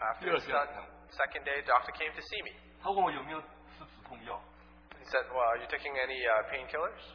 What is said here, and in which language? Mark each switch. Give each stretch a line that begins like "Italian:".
English: the second day, doctor came to see me.
Chinese: 他问我有没有吃止痛药。
English: He said, "Well, are you taking any painkillers?"